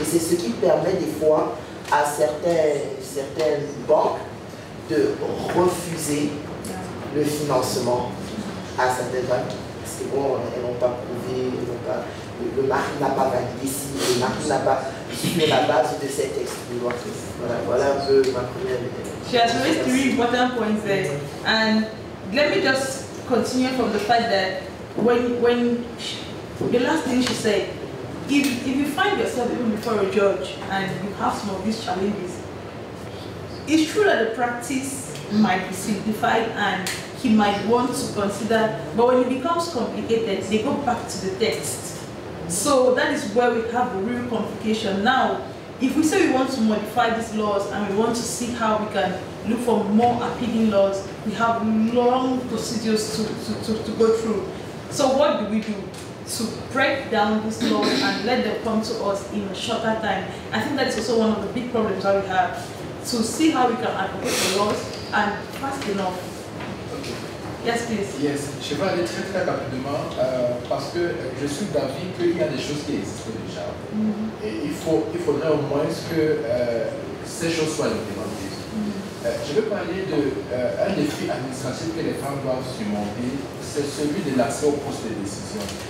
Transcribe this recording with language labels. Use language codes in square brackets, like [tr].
[fr] Et c'est ce qui permet des fois à certaines banques de refuser le financement à certaines banques. Parce que bon, elles n'ont pas prouvé, elles n'ont pas, le mari n'a pas validé si le mari n'a pas suivi la base de ces textes. Voilà un peu ma première idée. [en] She has raised three important points there. And let me just continue from the fact that the last thing she said, if you find yourself even before a judge and you have some of these challenges, it's true that the practice might be simplified and he might want to consider, but when it becomes complicated, they go back to the text. So that is where we have a real complication now. If we say we want to modify these laws and we want to see how we can look for more appealing laws, we have long procedures to go through. So what do we do to break down these laws and let them come to us in a shorter time? I think that's also one of the big problems that we have, to see how we can advocate the laws and fast enough. Okay. Yes, please. [fr] Yes, je vais aller très très rapidement parce que je suis d'avis qu'il y a des choses qui existent déjà. Mm-hmm. Et il faudrait au moins que ces choses soient implémentées. Mm-hmm. Je veux parler d'un défi administratif que les femmes doivent surmonter, c'est celui de l'accès aux postes de décision.